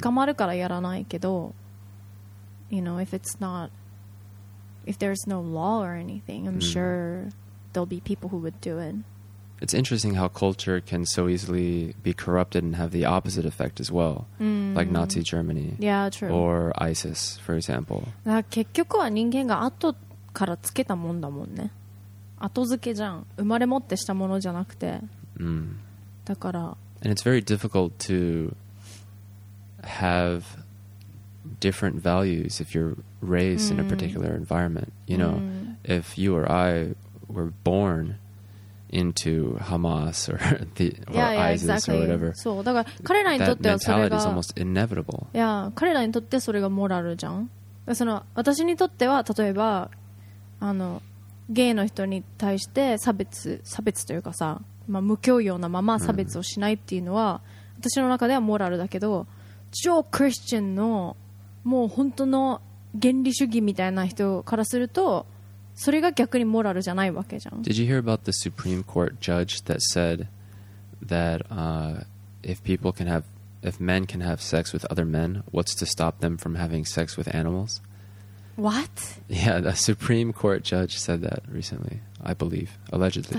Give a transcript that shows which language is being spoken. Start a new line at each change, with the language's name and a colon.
Japanese: 捕まるからやらないけど
English: You know if it's not If there's no law or anything I'm、mm. sure there'll be people who would do it It's interesting how culture can so easily be corrupted and have the opposite effect as well、 mm. Like Nazi Germany Yeah true Or ISIS for example
Japanese: 結局は人間が後からつけたもんだもんね後付けじゃん生まれ持ってしたものじゃなくて、 mm. だから
English: And it's very difficult to have different values if you're raised、mm. in a particular environment you know、mm. if you or I were born into Hamas or, the, or yeah, yeah, ISIS、 exactly. or whatever
Japanese: そうだから彼らにとってはそれが
English: that mentality is almost inevitable
Japanese: いや彼らにとってそれがモラルじゃんその私にとっては例えばあのゲイの人に対して差別というかさ、まあ、無教養なまま差別をしないっていうのは、うん、私の中ではモラルだけど超クリスチャンのもう本当の原理主義みたいな人からするとそれが逆にモラルじゃないわけじゃん
English: Did you hear about the Supreme Court judge that said that、if people can have if men can have sex with other men what's to stop them from having sex with animals What? Yeah, the Supreme Court judge said that recently, I believe, allegedly.